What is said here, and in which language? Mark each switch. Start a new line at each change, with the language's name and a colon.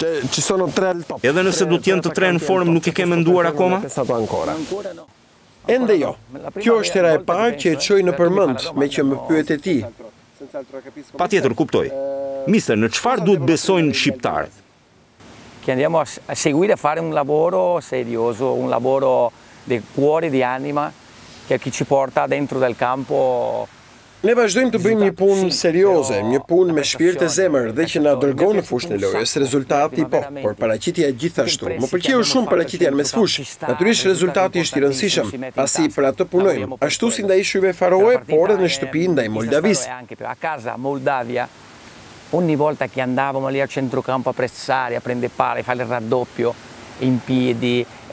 Italian: Ci sono tre al top.
Albanian: Edhe nëse do të jenë të tre në formë, nuk e kam menduar akoma? Ende jo. Kjo është era e parë që e çoj në përmend, me që më pyet e ti. Patjetër kuptoj. Mister, në çfarë duhet besojnë shqiptarët?
Italian: Che andiamo a seguire a fare un lavoro serioso, un lavoro di cuore, di anima. Che chi ci porta dentro del campo.
Albanian: Ne vazhdojmë të bëjmë një punë serioze, një punë me shpirt e zemër dhe që na dërgon në fushën e lojës. Rezultati po, por paraqitja gjithashtu. Më pëlqeu shumë paraqitja mes fush. Natyrisht rezultati është i rëndësishëm, pasi për atë punojmë. Ashtu si ndaj Shujve Faroe, por edhe në shtëpi ndaj Moldavisë.
Italian: A casa Moldavia. Ogni volta che andavamo lì al centrocampo a pressare, a prendere palle, fare il raddoppio in piedi,